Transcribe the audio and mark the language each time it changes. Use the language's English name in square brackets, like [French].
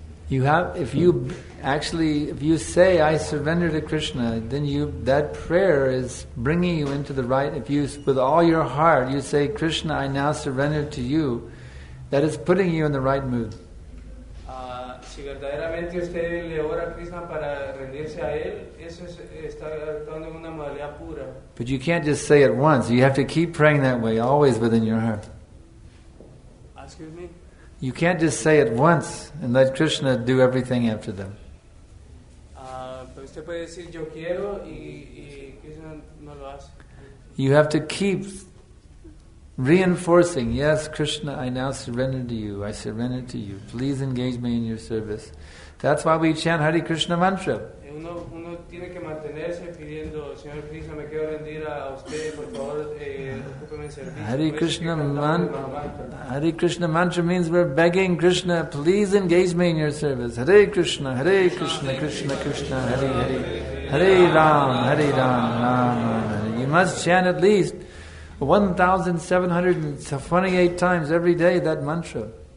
[English] You have, if you actually, if you say I surrender to Krishna, then you, that prayer is bringing you into the right. If you, with all your heart, you say Krishna, I now surrender to you, that is putting you in the right mood. [Spanish] Si verdaderamente usted le ora a Krishna para rendirse a él, eso es, está actuando en una modalidad pura. [English] But you can't just say it once. You have to keep praying that way, always within your heart. Excuse me. You can't just say it once and let Krishna do everything after them. [Spanish] Usted puede decir yo quiero y Krishna no lo hace. [English] You have to keep reinforcing, yes, Krishna, I now surrender to you. I surrender to you. Please engage me in your service. That's why we chant Hare Krishna mantra. [Spanish] Uno tiene que mantenerse pidiendo, Señor Krishna, me quiero rendir a usted, por favor, ocúpeme en servicio. [English] Hare Krishna mantra means we're begging Krishna, please engage me in your service. [Sanskrit] Hare Krishna, Krishna, Krishna, Krishna, Hare Hare. Hare Ram, Hare Ram, Ram Ram Hare. [English] You must chant at least 1,728 times every day that mantra.